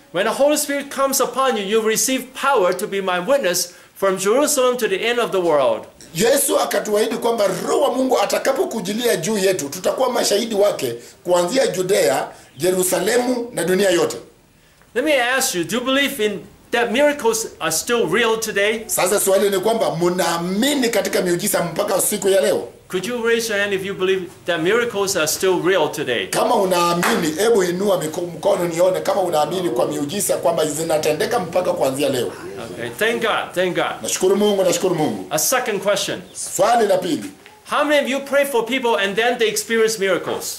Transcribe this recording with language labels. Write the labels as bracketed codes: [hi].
[en] When the Holy Spirit comes upon you, you receive power to be my witness from Jerusalem to the end of the world. [sw] Yesu akatuahidi kwamba Roho wa Mungu atakapokujilia juu yetu, tutakuwa mashahidi wake kuanzia Judea, Yerusalemu na dunia yote. [en] Let me ask you, do you believe in that miracles are still real today? [sw] Sasa swali ni kwamba mnaamini katika miujiza mpaka siku ya leo? [en] Could you raise your hand if you believe that miracles are still real today? [sw] Kama unaamini, hebu inua mkono nione kama unaamini kwa miujiza kwamba zinatendeka mpaka kuanzia leo. [en] Okay, thank God, thank God. [sw] Nashukuru Mungu, nashukuru Mungu. [en] A second question. [sw] Swali la pili. [en] How many of you pray for people and then they experience miracles?